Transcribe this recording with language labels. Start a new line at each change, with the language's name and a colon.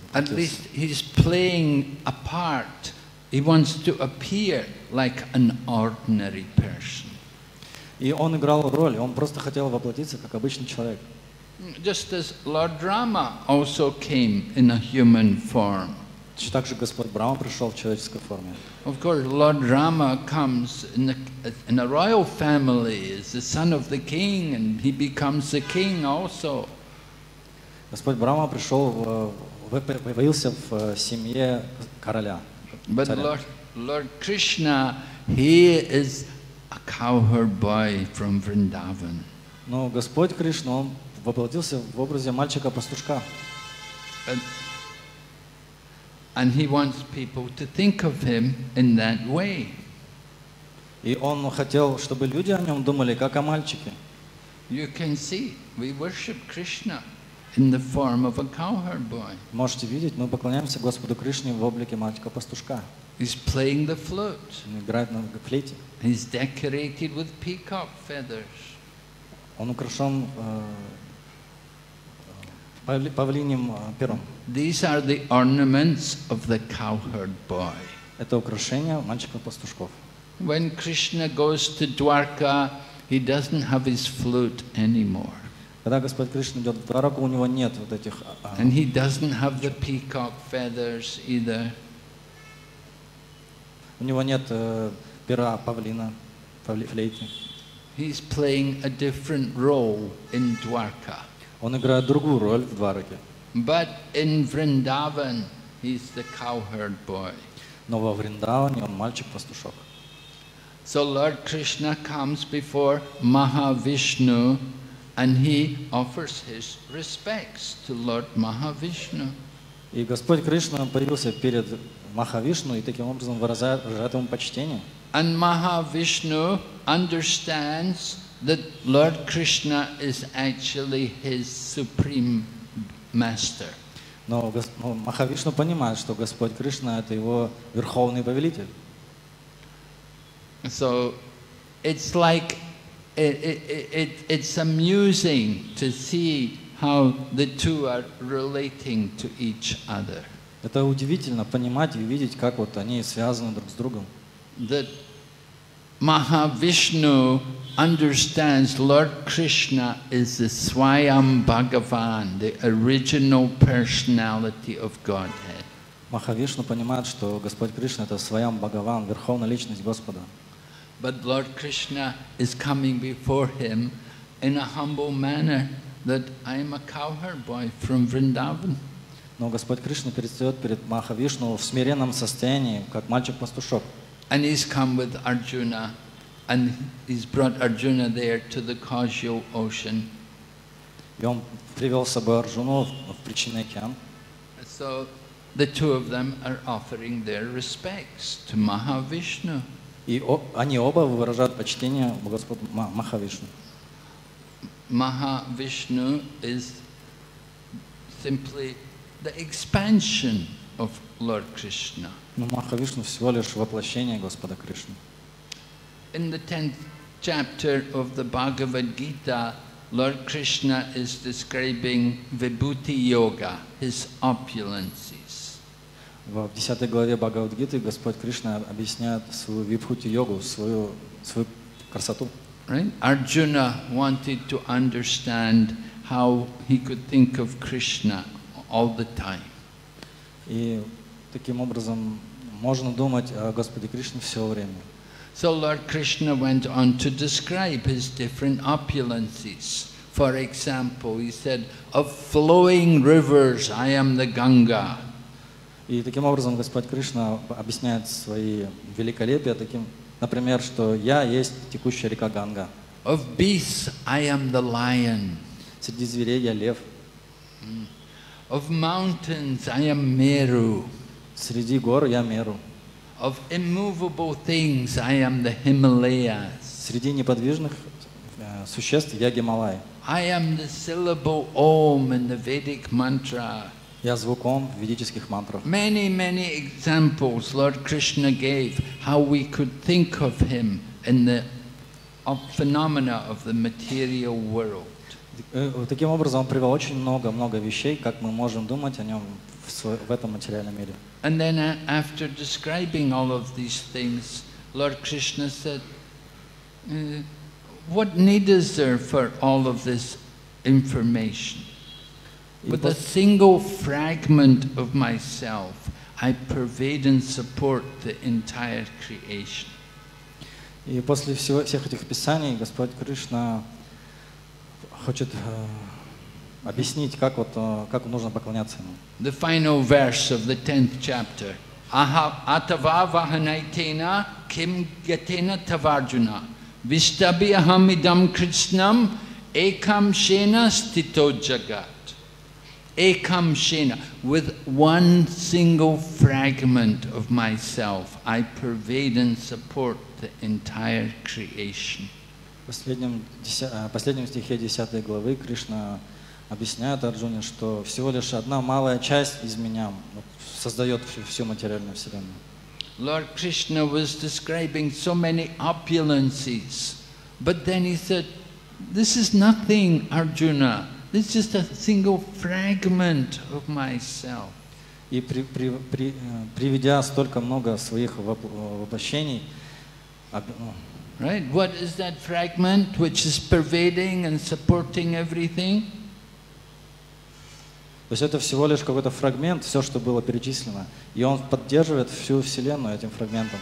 English: At least he's playing a part. He wants to appear like an ordinary person.
Russian: И он играл роль, он просто хотел воплотиться как обычный человек.
English: Just as Lord Rama also came in a human form.
Russian: Так же Господь Брама пришел в человеческой форме.
English: Of course, Lord Rama comes in a royal family, is the son of the king, and he becomes the king also.
Russian: Господь Брама пришел, появился в семье короля.
English: But Lord Krishna, he is a cowherd boy from Vrindavan.
Russian: Но Господь Кришна, он воплотился в образе мальчика-пастушка.
English: And he wants people to think of him in that way.
Russian: И он хотел, чтобы люди о нем думали как о мальчике.
English: You can see, we worship Krishna in the form of a cowherd boy.
Russian: Можете видеть, мы поклоняемся Господу Кришне в облике маленького пастушка.
English: He's playing the flute.
Russian: Он играет на флейте.
English: He's decorated with peacock feathers.
Russian: Он украшен павлиньим пером.
English: These are the ornaments of the cowherd boy.
Russian: Это украшения мальчика пастушков.
English: When Krishna goes to Dwarka, he doesn't have his flute anymore.
Russian: Когда Господь Кришна идет в Двараку, у него нет вот этих.
English: And he doesn't have the peacock feathers either.
Russian: У него нет пера павлина, флейты.
English: He's playing a different role in Dwarka.
Russian: Он играет другую роль в Двараке.
English: But in Vrindavan, he's the cowherd boy.
Russian: Но во Вриндаване он мальчик-пастушок.
English: So Lord Krishna comes before Mahavishnu, and he offers his respects to Lord Mahavishnu.
Russian: И Господь Кришна появился перед Махавишну и таким образом выражает ему почтение.
English: And Mahavishnu understands that Lord Krishna is actually his supreme master.
Russian: Но Махавишну понимает, что Господь Кришна это его верховный повелитель.
English: So it's like it's amusing to see how the two are relating to each other.
Russian: Это удивительно понимать и видеть, как вот они связаны друг с другом.
English: That Mahavishnu understands Lord Krishna is the Swayam Bhagavan, the original personality of Godhead.
Russian: Махавишну понимает, что Господь Кришна это Свайам Бхагаван, верховная личность Господа.
English: But Lord Krishna is coming before him in a humble manner that I am a cowherd boy from Vrindavan.
Russian: Но Господь Кришна предстает перед Махавишну в смиренном состоянии, как мальчик-пастушок.
English: And he's come with Arjuna, and he's brought Arjuna there to the causal ocean.
Russian: И он привел с собой Арджуну в причинный океан.
English: So the two of them are offering their respects to Mahavishnu.
Russian: И они оба выражают почтение Господу Махавишну.
English: Махавишну is simply the expansion of Lord Krishna.
Russian: Но Махавишну всего лишь воплощение Господа Кришны.
English: In the 10th chapter of the Bhagavad Gita, Lord Krishna is describing Vibhuti Yoga, his opulence.
Russian: В 10 главе Бхагавад-гиты Господь Кришна объясняет свою випхути-йогу, свою красоту.
English: Right? Arjuna wanted to understand how he could think of Krishna all the time.
Russian: И таким образом можно думать о Господе Кришне все время.
English: So Lord Krishna went on to describe his different opulences. For example, he said, of flowing rivers I am the Ganga.
Russian: И таким образом Господь Кришна объясняет свои великолепия таким, например, что я есть текущая река Ганга.
English: Of beasts, I am the lion.
Russian: Среди зверей я лев.
English: Of mountains, I am Meru.
Russian: Среди гор я Меру.
English: Of immovable things, I am the Himalayas.
Russian: Среди неподвижных существ я Гималай.
English: I am the syllable Om in the Vedic mantra.
Russian: Я звук Ом в ведических мантрах.
English: Many, many examples Lord Krishna gave how we could think of him in the phenomena of the material world.
Russian: Таким образом, он привел очень много вещей, как мы можем думать о нем в этом материальном мире.
English: And then after describing all of these things, Lord Krishna said, what need is there for all of this information? With a single fragment of myself, I pervade and support the entire creation.
Russian: И после всех этих писаний Господь Кришна хочет объяснить, как нужно поклоняться ему.
English: The final verse of the 10th chapter.
Sanskrit: Aha atava vahanaitena kim gatena tavarjuna vistabi ahamidam krishnam ekam shena stito jagat.
English: Ekam Shena, with one single fragment of myself, I pervade and support the entire creation.
Russian: В последнем стихе 10 главы Кришна объясняет Арджуне, что всего лишь одна малая часть из меня создает всю материальную вселенную.
English: Lord Krishna was describing so many opulences, but then he said, this is nothing, Arjuna. This is just a single fragment of myself.
Russian: И приведя столько много своих воплощений,
English: right? What is that fragment which is pervading and supporting everything?
Russian: То есть это всего лишь какой-то фрагмент, все, что было перечислено. И он поддерживает всю Вселенную этим фрагментом.